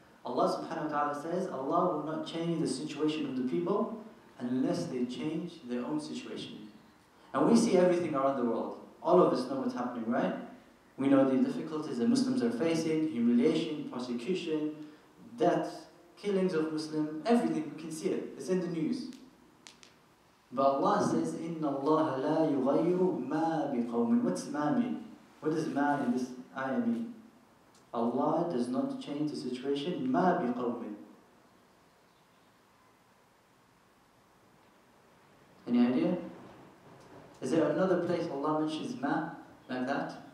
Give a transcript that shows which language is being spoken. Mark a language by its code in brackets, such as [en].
[en] Allah subhanahu wa ta'ala says, Allah will not change the situation of the people unless they change their own situation. And we see everything around the world. All of us know what's happening, right? We know the difficulties that Muslims are facing, humiliation, persecution, death, killings of Muslims, everything, we can see it. It's in the news. But Allah says, [ar] إِنَّ اللَّهَ لَا يُغَيِّرُ مَا بِقَوْمٍ. [en] What's ma mean? What does ma in this ayah mean? Allah does not change the situation. [ar] مَا بِقَوْمٍ. [en] Any idea? Is there another place Allah mentions ma like that?